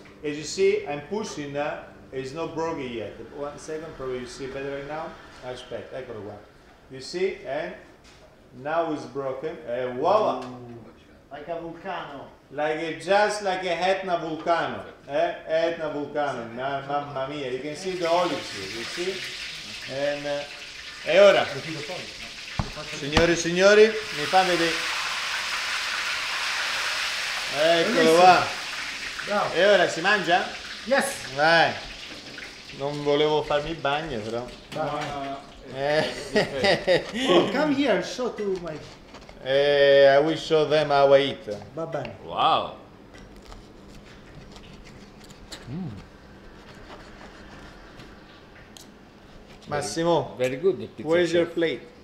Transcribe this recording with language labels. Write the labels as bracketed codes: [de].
[en] As you see, I'm pushing, it's not broken yet. 1 second, probably you see better right now. I expect, I got one. You see, and now it's broken, and voila! Like a volcano. Like Etna Vulcano, eh? Etna Vulcano, mamma mia, you can see the olives here, you see? [it] And, e ora, signori e signori, mi fa vedere. Eccolo qua. E ora, si mangia? [en] Yes. [it] Vai. Non volevo farmi il bagno, però. [en] No. Come here, show to my... I will show them how I eat. [it] Va bene. [en] Wow. Massimo. Very good. The pizza where is chef. Your plate?